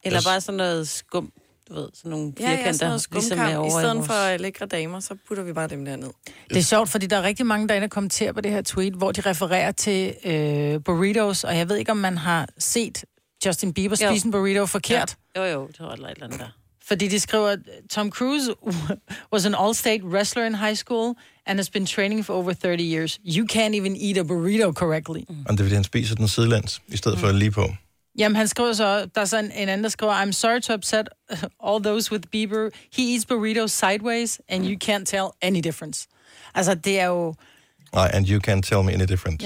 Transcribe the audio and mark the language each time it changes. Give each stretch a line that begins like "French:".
Danish: Eller bare sådan noget skum. du ved, sådan nogle firkanter, ligesom er over i stedet for lækre damer, så putter vi bare dem der ned. Det er sjovt, fordi der er rigtig mange, der er inde og kommenterer på det her tweet, hvor de refererer til burritos, og jeg ved ikke, om man har set Justin Bieber spise en burrito forkert. Ja. Jo, det var et eller andet der.
English: Fordi de skriver, Tom Cruise was an all-state wrestler in high school and has been training for over 30 years. You can't even eat a burrito correctly.
Danish: Og det er, fordi han spiser den sidelæns, i stedet for lige på. Jamen, han skriver så, der er så en anden, der skriver,
English: I'm sorry to upset all those with Bieber. He eats burritos sideways, and you can't tell any difference.
Danish: Altså, det er jo...
English: And you can't tell me any difference.